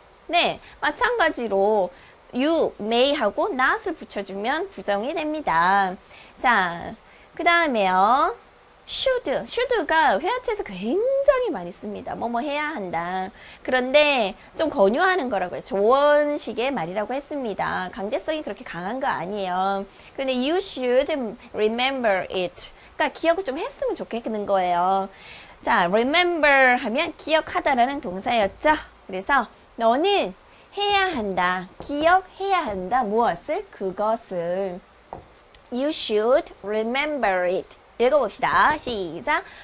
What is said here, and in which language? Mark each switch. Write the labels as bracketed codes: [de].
[ko] 네, 마찬가지로, You may 하고 not을 붙여주면 부정이 됩니다. 자, 그 다음에요. Should. Should가 회화체에서 굉장히 많이 씁니다. 뭐뭐 해야 한다. 그런데 좀 권유하는 거라고요. 조언식의 말이라고 했습니다. 강제성이 그렇게 강한 거 아니에요. [en] 그런데 you should remember it. [ko] 그러니까 기억을 좀 했으면 좋겠는 거예요. 자, remember 하면 기억하다라는 동사였죠. 그래서 너는 해야 한다. 기억해야 한다. 무엇을? [en] 그것을. You should remember it. [ko] 읽어봅시다. 시작.